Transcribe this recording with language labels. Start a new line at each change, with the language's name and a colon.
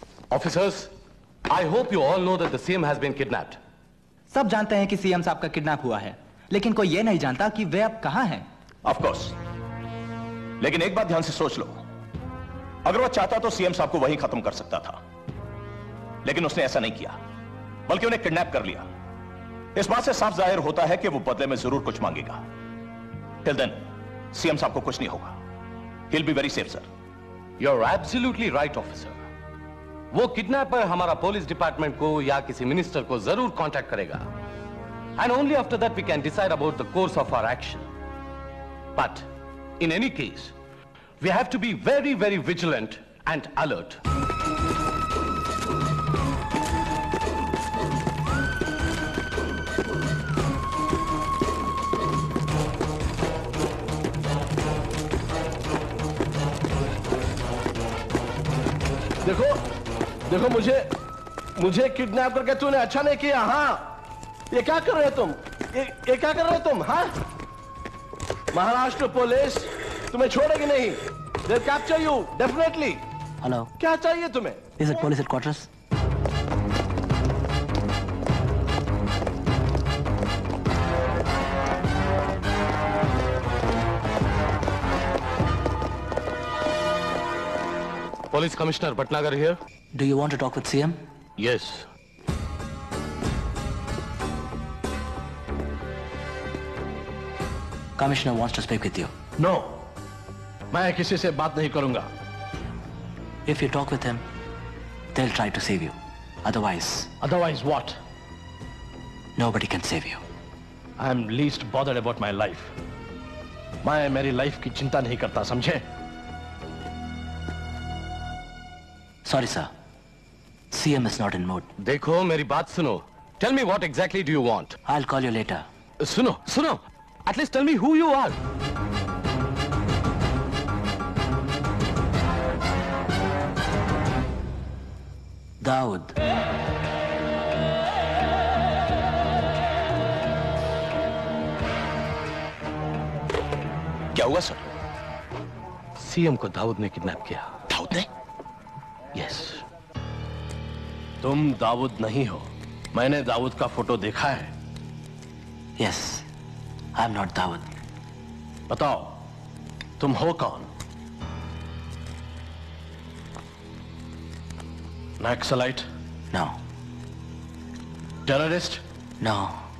English: Officers, I hope you all know that the CM has been kidnapped.
Hindi: सब जानते हैं कि CM साहब का किडनैप हुआ है, लेकिन कोई ये नहीं जानता कि वे अब कहाँ हैं।
English: Of course.
Hindi: लेकिन एक बात ध्यान से सोच लो। अगर वह चाहता तो CM साहब को वहीं खत्म कर सकता था, लेकिन उसने ऐसा नहीं किया, बल्कि उन्हें किडनैप कर लिया। इस बात से साफ जाहिर होता है कि वो बदले में जरूर कुछ मांगेगा।
English: Till then,
Hindi: CM साहब को कुछ नहीं होगा।
English: He'll be very safe, sir. You're absolutely right, officer.
Hindi: वो किडनैपर हमारा पुलिस डिपार्टमेंट को या किसी मिनिस्टर को जरूर कांटेक्ट करेगा।
English: And only after that we can decide about the course of our action. But in any case we have to be very very vigilant and alert.
Hindi: देखो देखो मुझे मुझे किडनैप करके तूने अच्छा नहीं किया। हाँ, ये क्या कर रहे हो तुम? ये क्या कर रहे हो तुम? हाँ, महाराष्ट्र पुलिस तुम्हें छोड़ेगी नहीं।
English: They'll capture you definitely. Hello.
Hindi: क्या चाहिए तुम्हें?
English: Is it police headquarters? Police Commissioner Bhatnagar here. Do you want to talk with CM? Yes. Commissioner wants to speak with you. No.
Hindi: मैं किसी से बात नहीं करूंगा।
English: If you talk with him, they'll try to save you. Otherwise what? Nobody can save you. I am least bothered about my life.
Hindi: मैं मेरी life की चिंता नहीं करता, समझे?
English: Sorry, sir. CM is not in mood.
Hindi: देखो मेरी बात सुनो।
English: Tell me what exactly do you want? I'll call you later.
Hindi: सुनो।
English: At least tell me who you are. Daud.
Hindi: क्या हुआ सर? CM को दाऊद ने किडनैप किया। दाऊद ने?
English: Yes.
Hindi: तुम दाऊद नहीं हो। मैंने दाऊद का फोटो देखा है।
English: Yes, I am not Dawood.
Hindi: बताओ तुम हो कौन?
English: Naxalite? No. Terrorist? No.